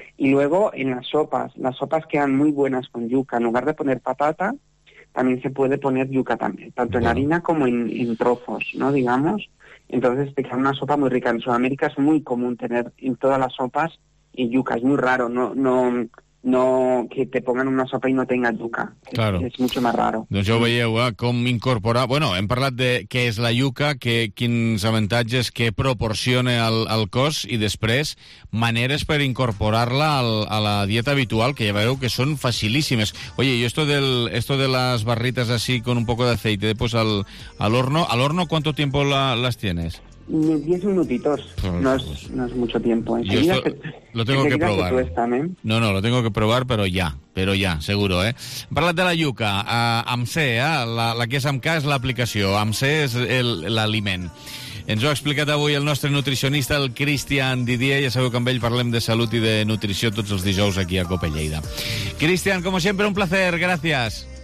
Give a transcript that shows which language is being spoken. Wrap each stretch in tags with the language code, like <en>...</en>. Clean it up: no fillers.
<es>Y luego en las sopas quedan muy buenas con yuca, en lugar de poner patata, también se puede poner yuca también, tanto en harina como en trozos, ¿no? Digamos. Entonces, te queda una sopa muy rica. En Sudamérica es muy común tener en todas las sopas y yuca. Es muy raro no que te pongan una sopa y no tenga yuca. Claro. Es mucho más raro.</es> <ca>Doncs jo veieu, com incorporar... Bueno, hem parlat de què és la yuca, quins avantatges que proporciona al cos i després maneres per incorporar-la a la dieta habitual, que ja veieu que són facilíssimes.</ca> <es>Oye, y esto de las barritas así con un poco de aceite, pues al horno, ¿cuánto tiempo las tienes? 10 minutitos, no es mucho tiempo. Lo tengo que probar. No, lo tengo que probar, pero ya, seguro, ¿eh?</es> <ca>Parla de la yuca, AMSE, la que és amb K és l'aplicació, AMSE és l'aliment. Ens ho ha explicat avui el nostre nutricionista, el Cristian Didier. Ja sabeu que amb ell parlem de salut i de nutrició tots els dijous aquí a Cope Lleida. Cristian, com sempre,</ca> <es>un placer,</es> <ca>gràcies.</ca>